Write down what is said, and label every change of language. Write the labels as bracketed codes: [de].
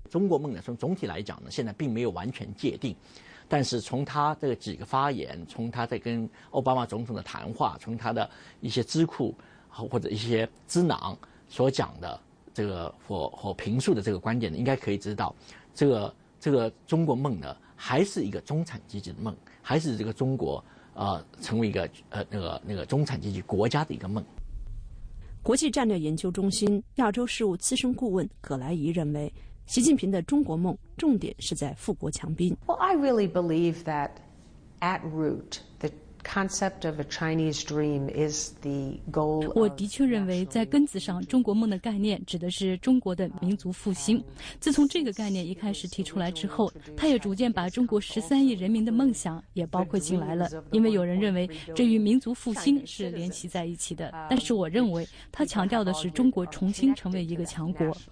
[zh] 中国梦呢，从总体来讲呢，现在并没有完全界定，但是从他这个几个发言，从他在跟奥巴马总统的谈话，从他的一些智库或者一些智囊所讲的这个或评述的这个观点呢，应该可以知道，这个中国梦呢，还是一个中产阶级的梦，还是这个中国成为一个那个中产阶级国家的一个梦。国际战略研究中心亚洲事务资深顾问葛莱仪认为，习近平的中国梦重点是在富国强兵。 [en] Well, I really believe that at root the concept of a Chinese dream is the goal. [zh] 我的确认为，在根子上，中国梦的概念指的是中国的民族复兴。自从这个概念一开始提出来之后，他也逐渐把中国13亿人民的梦想也包括进来了。因为有人认为这与民族复兴是联系在一起的，但是我认为他强调的是中国重新成为一个强国。